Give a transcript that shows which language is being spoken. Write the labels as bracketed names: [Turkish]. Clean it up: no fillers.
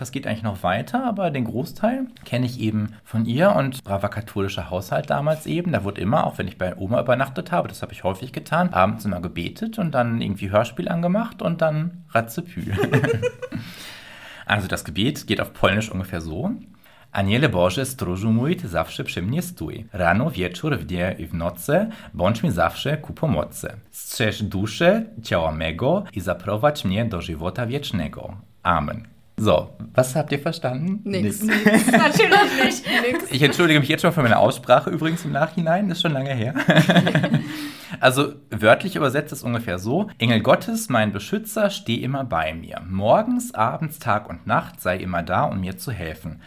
[German] Das geht eigentlich noch weiter, aber den Großteil kenne ich eben von ihr und braver katholischer Haushalt damals eben. Da wurde immer, auch wenn ich bei Oma übernachtet habe, das habe ich häufig getan, abends immer gebetet und dann irgendwie Hörspiel angemacht und dann Ratzepü. Also das Gebet geht auf Polnisch ungefähr so. [Polish] Aniele Boże, stróżu mój, ty zawsze przy mnie stój. Rano, wieczór, w dnie i w nocy, bądź mi zawsze ku pomocy. Strzeż duszę ciała mego i zaprowadź mnie do żywota wiecznego. [German] Amen. So, was habt ihr verstanden? Nix. Natürlich nicht. Ich entschuldige mich jetzt schon für meine Aussprache übrigens im Nachhinein, ist schon lange her. Also wörtlich übersetzt ist ungefähr so, Engel Gottes, mein Beschützer, steh immer bei mir. Morgens, abends, Tag und Nacht sei immer da, um mir zu helfen.